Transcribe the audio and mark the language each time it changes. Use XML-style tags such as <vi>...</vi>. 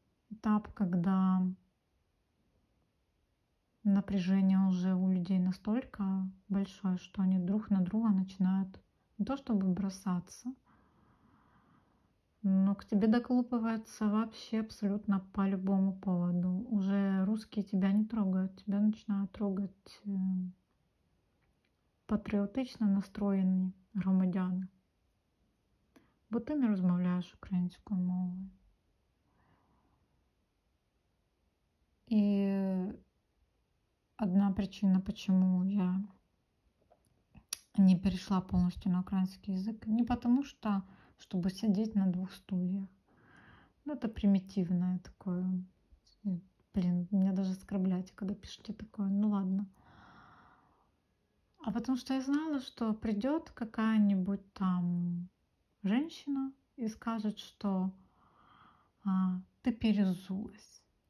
<ru>Этап, когда напряжение уже у людей настолько большое, что они друг на друга начинают не то чтобы бросаться, но к тебе доколупывается вообще абсолютно по любому поводу. Уже русские тебя не трогают, тебя начинают трогать патриотично настроенные громадяне.</ru> <uk>Бо ты не розмовляєш українською мовою. І одна причина, чому я не перейшла повністю на український язик, не тому, що</uk> <ru>чтобы сидеть на двух стульях. Ну, это примитивное такое. Блин, меня даже оскорбляете, когда пишете такое. Ну ладно. А потому что я знала, что придет какая-нибудь там женщина и скажет, что ты перезулась.</ru>